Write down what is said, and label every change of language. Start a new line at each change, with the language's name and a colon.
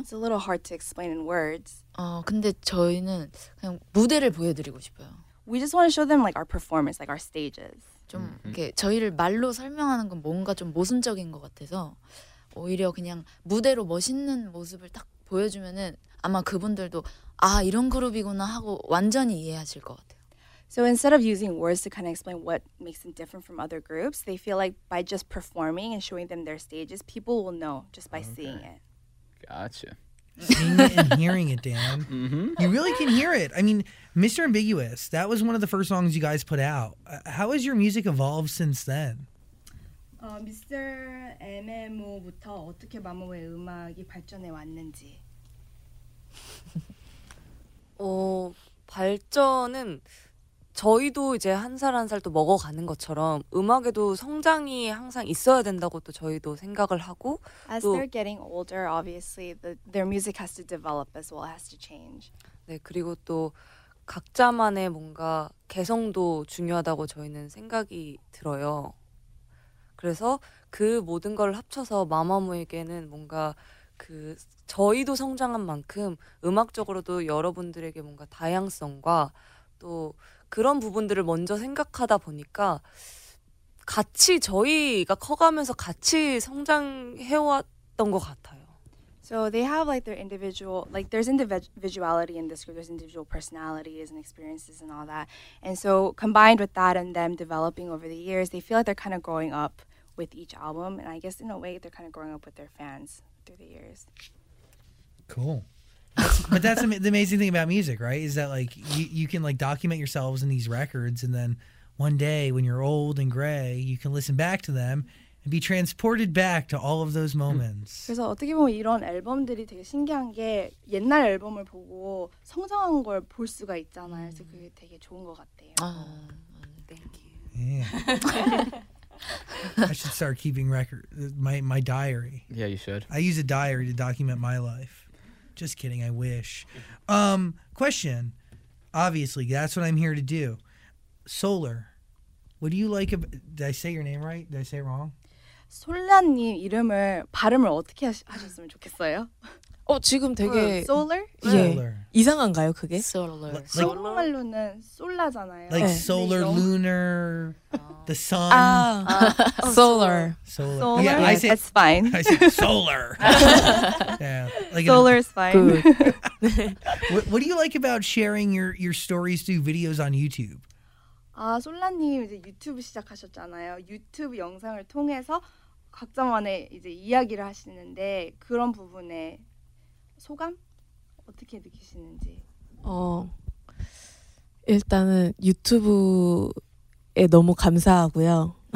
English: It's a little hard to explain in words.
Korean: 근데 저희는 그냥 무대를 보여드리고 싶어요.
English: We just want to show them like our performance, like our stages.
Korean: 좀 이렇게 저희를 말로 설명하는 건 뭔가 좀 모순적인 것 같아서 오히려 그냥 무대로 멋있는 모습을 딱 보여주면은 아마 그분들도 아 이런 그룹이구나 하고 완전히 이해하실 것 같아요.
English: So instead of using words to kind of explain what makes them different from other groups, they feel like by just performing and showing them their stages, people will know just by seeing it. Gotcha. Seeing it and hearing it, Dan. Mm-hmm. You really can hear it. I mean, Mr. Ambiguous, that was one of the first songs you guys put out. How has your music evolved since then? Mr.
Korean: MMO부터 어떻게 마모의 음악이 발전해 왔는지. 발전은... 저희도 이제 한 살 한 살 또 먹어가는 것처럼 음악에도 성장이 항상 있어야 된다고 또 저희도 생각을 하고
English: As they're getting older, obviously, their music has to develop as well, has to change.
Korean: 네, 그리고 또 각자만의 뭔가 개성도 중요하다고 저희는 생각이 들어요. 그래서 그 모든 걸 합쳐서 마마무에게는 뭔가 그 저희도 성장한 만큼 음악적으로도 여러분들에게 뭔가 다양성과 또 그런 부분들을 먼저 생각하다 보니까 같이 저희가 커가면서 같이 성장해왔던 것 같아요.
English: So they have like their individual, like there's individuality in this group, there's individual personalities and experiences and all that. And so combined with that and them developing over the years, they feel like they're kind of growing up with each album. And I guess in a way, they're kind of growing up with their fans through the years. Cool. But that's the amazing thing about music, right? Is that like you can like document yourselves in these records, and then one day when you're old and gray, you can listen back to them and be transported back to all of those moments.
Korean: 그래서 어떻게 보면 이런 앨범들이 되게 신기한 게 옛날 앨범을 보고 성장한 걸 볼 수가 있잖아요. 그래서 그게 되게 좋은 것 같아요.
English: Thank you. Yeah. I should start keeping record my diary. Yeah, you should. I use a diary to document my life. Just kidding, I wish. Question. Obviously, that's what I'm here to do. Solar, what do you like about... Did I say your name right? Did I say it wrong?
Korean: 솔라님 이름을, 발음을 어떻게 하셨으면 좋겠어요? 지금 되게...
English: Solar?
Korean: 예. Solar. 이상한가요, 그게?
English: Solar.
Korean: Like, 한국말로는 솔라잖아요.
English: Like 네. Solar, Lunar, the sun. Solar. Solar. Solar? Yeah, I say, that's fine. I say solar. Yeah. Like solar is fine. Good. what do you like about sharing your stories through videos on YouTube?
Korean: 솔라님 이제 유튜브 시작하셨잖아요. 유튜브 영상을 통해서 각자만의 이제 이야기를 하시는데 그런 부분에 소감? 어떻게 느끼시는지? 일단은 유튜브에 너무 감사하고요.